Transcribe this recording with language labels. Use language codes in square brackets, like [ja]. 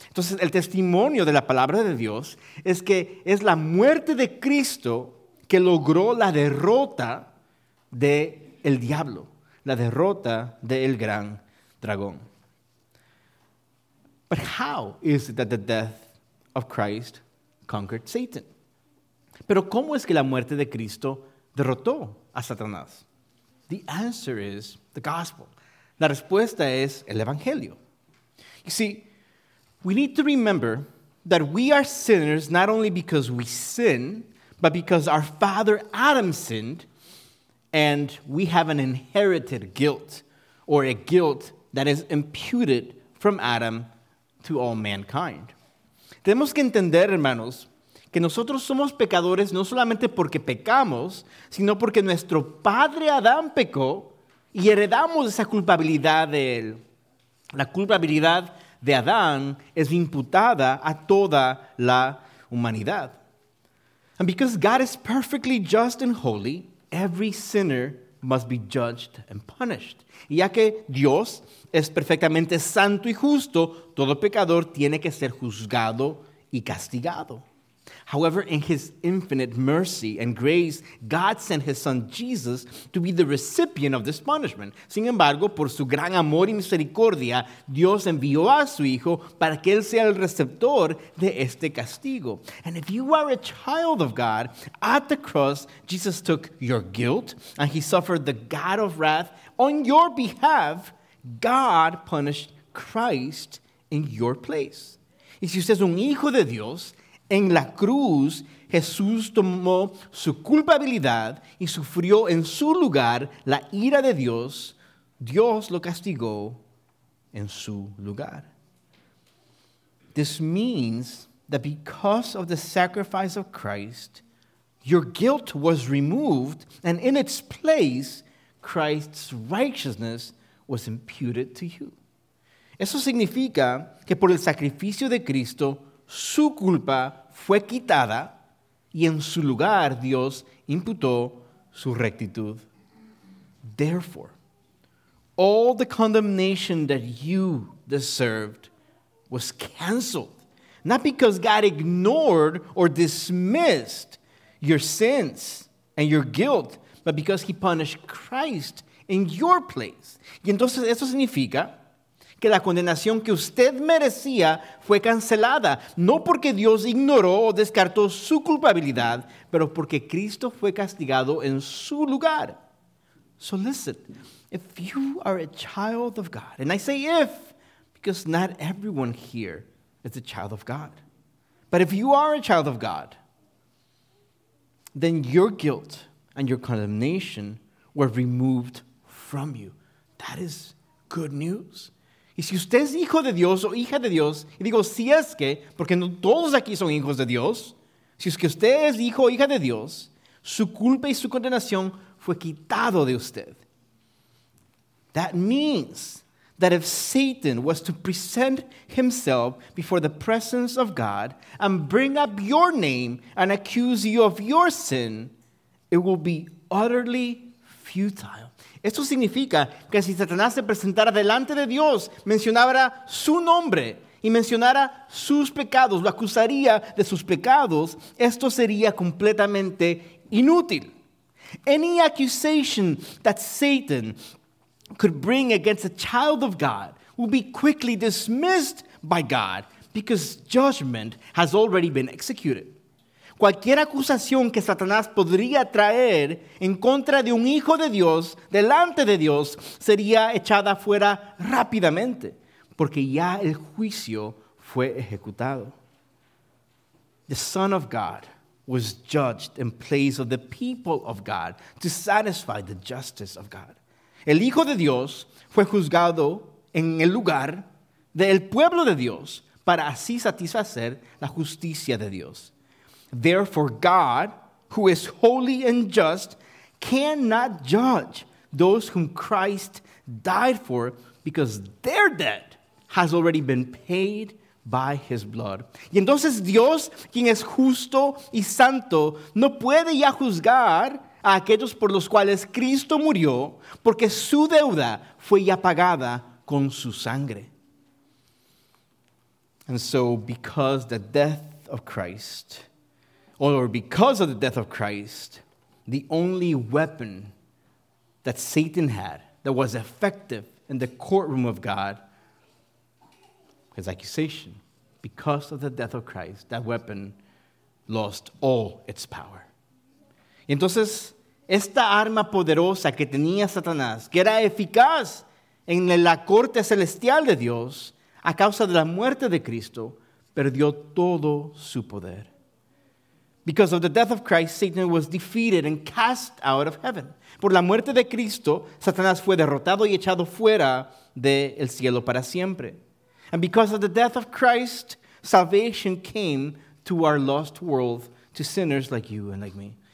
[es] Entonces, el testimonio de la palabra de Dios es que es la muerte de Cristo que logró la derrota de el diablo, la derrota de el gran dragón. [en] But how is it that the death of Christ conquered Satan? [es] Pero ¿cómo es que la muerte de Cristo derrotó a Satanás? [en] The answer is the gospel. [es] La respuesta es el evangelio. [en] You see, we need to remember that we are sinners not only because we sin, but because our father Adam sinned, and we have an inherited guilt, or a guilt that is imputed from Adam to all mankind. [es] Tenemos que entender, hermanos, que nosotros somos pecadores no solamente porque pecamos, sino porque nuestro padre Adán pecó y heredamos esa culpabilidad de él. La culpabilidad de Adán es imputada a toda la humanidad. [en] And because God is perfectly just and holy, every sinner must be judged and punished. [es] Y ya que Dios es perfectamente santo y justo, todo pecador tiene que ser juzgado y castigado. [en] However, in his infinite mercy and grace, God sent his son Jesus to be the recipient of this punishment. [es] Sin embargo, por su gran amor y misericordia, Dios envió a su hijo para que él sea el receptor de este castigo. [en] And if you are a child of God, at the cross, Jesus took your guilt and he suffered the God of wrath on your behalf. God punished Christ in your place. [es] Y si usted es un hijo de Dios, en la cruz, Jesús tomó su culpabilidad y sufrió en su lugar la ira de Dios. Dios lo castigó en su lugar. [en] This means that because of the sacrifice of Christ, your guilt was removed, and in its place, Christ's righteousness was imputed to you. [es] Eso significa que por el sacrificio de Cristo, su culpa fue quitada y en su lugar Dios imputó su rectitud. [en] Therefore, all the condemnation that you deserved was canceled, not because God ignored or dismissed your sins and your guilt, but because he punished Christ in your place. [es] Y entonces eso significa que la condenación que usted merecía fue cancelada, no porque Dios ignoró o descartó su culpabilidad, pero porque Cristo fue castigado en su lugar. [en] So listen, if you are a child of God, and I say if, because not everyone here is a child of God, but if you are a child of God, then your guilt and your condemnation were removed from you. That is good news. [es] Y si usted es hijo de Dios o hija de Dios, y digo si es que, porque no todos aquí son hijos de Dios, si es que usted es hijo o hija de Dios, su culpa y su condenación fue quitado de usted. [en] That means that if Satan was to present himself before the presence of God and bring up your name and accuse you of your sin, it will be utterly futile. [es] Esto significa que si Satanás se presentara delante de Dios, mencionara su nombre y mencionara sus pecados, lo acusaría de sus pecados, esto sería completamente inútil. [en] Any accusation that Satan could bring against a child of God will be quickly dismissed by God because judgment has already been executed. [es] Cualquier acusación que Satanás podría traer en contra de un hijo de Dios, delante de Dios, sería echada fuera rápidamente, porque ya el juicio fue ejecutado. [en] The Son of God was judged in place of the people of God to satisfy the justice of God. [es] El Hijo de Dios fue juzgado en el lugar del pueblo de Dios para así satisfacer la justicia de Dios. [en] Therefore, God, who is holy and just, cannot judge those whom Christ died for because their debt has already been paid by his blood. [es] Y entonces Dios, quien es justo y santo, no puede ya juzgar a aquellos por los cuales Cristo murió porque su deuda fue ya pagada con su sangre. [en] And so, because the death of Christ... Or because of the death of Christ, the only weapon that Satan had that was effective in the courtroom of God, his accusation, because of the death of Christ, that weapon lost all its power. [es] Entonces, esta arma poderosa que tenía Satanás, que era eficaz en la corte celestial de Dios, a causa de la muerte de Cristo, perdió todo su poder. [en] Because of the death of Christ, Satan was defeated and cast out of heaven. [es] Por la muerte de Cristo, Satanás fue derrotado y echado fuera del cielo para siempre. [en] And because of the death of Christ, salvation came to our lost world, to sinners like you and like me.